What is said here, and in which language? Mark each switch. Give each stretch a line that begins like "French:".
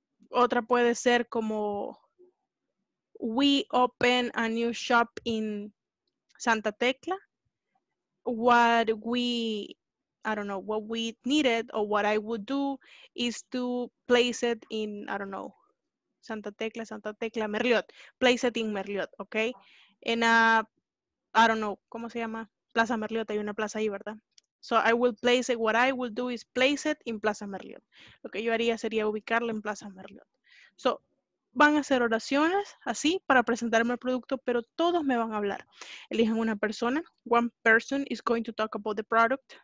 Spanish: Otra puede ser como,
English: we open a new shop in Santa Tecla. What we, I don't know, what we needed or what I would do is to place it in, I don't know, Santa Tecla, Merliot. Place it in Merliot, okay? In a, I don't know,
Spanish: ¿cómo se llama?
English: Plaza Merliot,
Spanish: hay una plaza ahí, ¿verdad?
English: So I will place it, what I will do is place it in Plaza Merliot.
Spanish: Lo que yo haría sería ubicarlo en Plaza Merliot. So, van a hacer oraciones así para presentarme el producto, pero todos me van a hablar. Eligen una persona.
English: One person is going to talk about the product.